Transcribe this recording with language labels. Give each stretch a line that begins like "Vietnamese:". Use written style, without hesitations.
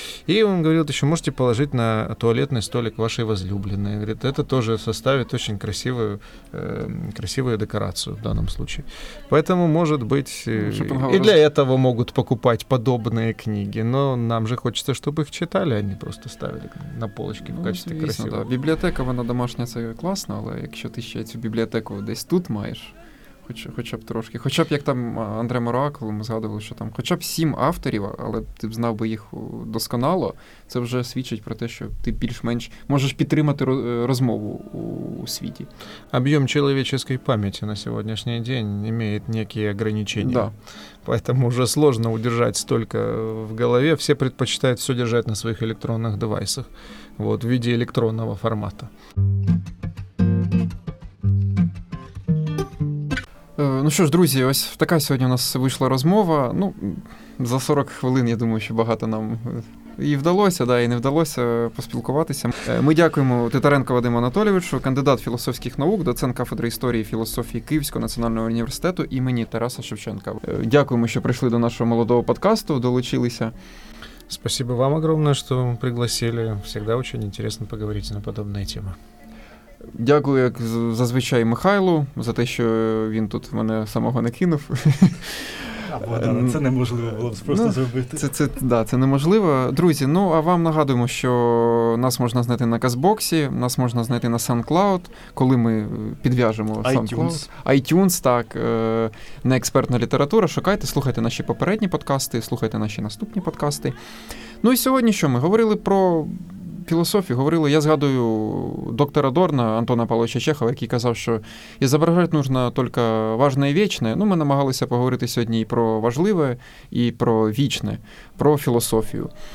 Russian: И он говорит, еще можете положить на туалетный столик вашей возлюбленной. Говорит, это тоже составит очень красивую, красивую декорацию в данном случае. Поэтому, может быть, и для этого могут покупать подобные книги, но нам же хочется, чтобы их читали, а не просто ставили на полочки в качестве красивого. Да.
Ukrainian: Библиотека, вона домашня, це класно, але якщо ти ще цю библиотеку десь тут маєш, хоча б трошки. Хоча б, як там Андре Моракл, ми згадували, що там хоча б 7 авторів, але ти б знав би їх досконало, це вже свідчить про те, що ти більш-менш можеш підтримати розмову у світі. Об'єм чоловічої пам'яті на сьогоднішній день має некі обмеження. Да.
Russian: Поэтому уже сложно удержать столько в голове. Все предпочитают все держать на своих электронных девайсах, вот, в виде электронного формата.
Ukrainian: Ну що ж, друзі, ось така сьогодні у нас вийшла розмова. Ну, за 40 хвилин, я думаю, що багато нам і вдалося, да, і не вдалося поспілкуватися. Ми дякуємо Титаренко Вадиму Анатолійовичу, кандидат філософських наук, доцент кафедри історії і філософії Київського національного університету імені Тараса Шевченка. Дякуємо, що прийшли до нашого молодого подкасту, долучилися.
Russian: Спасибо вам огромное, что пригласили. Всегда очень интересно поговорить на подобные темы.
Ukrainian: Дякую, як зазвичай, Михайлу, за те, що він тут мене самого не кинув. Це неможливо було б просто зробити. Це неможливо. Друзі, ну, а вам нагадуємо, що нас можна знайти на Казбоксі, нас можна знайти на SoundCloud, коли ми підв'яжемо SoundCloud. iTunes, так, неекспертна література. Шукайте, слухайте наші попередні подкасти, слухайте наші наступні подкасти. Ну, і сьогодні що? Ми говорили про... філософії говорили, я згадую доктора Дорна Антона Павловича Чехова, який казав, що ізображати нужно тільки важне і вічне. Ну, ми намагалися поговорити сьогодні і про важливе, і про вічне, про філософію.